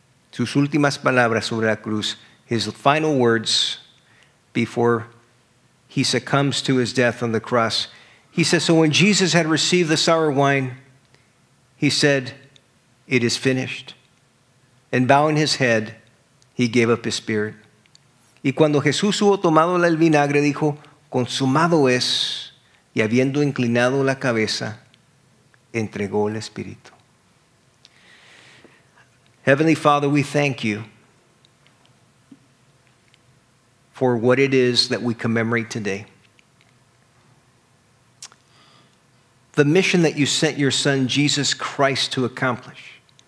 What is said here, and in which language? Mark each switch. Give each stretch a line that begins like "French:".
Spanish: Sus últimas palabras sobre la cruz.
English: His final words. before he succumbs to his death on the cross. He says, so when Jesus had received the sour wine, he said, it is finished. And bowing his head, he gave up his spirit.
Spanish: Y cuando Jesús hubo tomado el vinagre, dijo, consumado es. Y habiendo inclinado la cabeza, entregó el espíritu.
English: Heavenly Father, we thank you for what it is that we commemorate today. The mission that you sent your son Jesus Christ to accomplish.